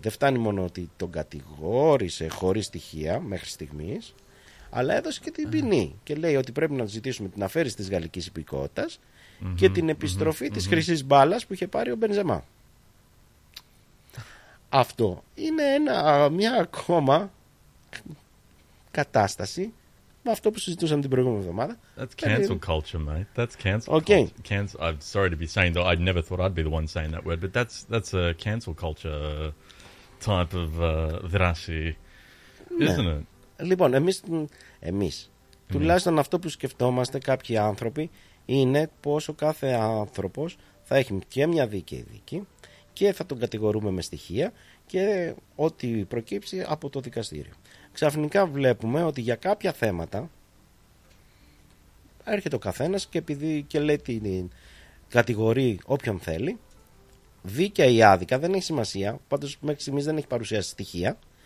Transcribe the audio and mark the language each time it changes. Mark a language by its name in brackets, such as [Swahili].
[Greek] Δεν φτάνει μόνο ότι τον κατηγόρησε χωρίς στοιχεία μέχρι στιγμής, αλλά έδωσε και την ποινή και λέει ότι πρέπει να ζητήσουμε την αφαίρεση της γαλλικής υπηκότητας και την επιστροφή της χρυσής μπάλας που είχε πάρει ο Μπενζεμά. Αυτό είναι μια ακόμα κατάσταση με αυτό που συζητούσαμε την προηγούμενη εβδομάδα. [English] That's cancel culture, mate. That's cancel culture. I'm sorry to be saying that. I never thought I'd be the one saying that word, but that's a cancel culture type of [Greek] δράση, [English] isn't it? [Greek] Λοιπόν, εμείς τουλάχιστον αυτό που σκεφτόμαστε κάποιοι άνθρωποι είναι πως ο κάθε άνθρωπος θα έχει και μια δίκαιη δίκη και θα τον κατηγορούμε με στοιχεία και ό,τι προκύψει από το δικαστήριο. Ξαφνικά βλέπουμε ότι για κάποια θέματα έρχεται ο καθένας και επειδή και λέει την κατηγορεί όποιον θέλει, δίκαια ή άδικα δεν έχει σημασία, πάντως μέχρι στιγμής δεν έχει παρουσιάσει στοιχεία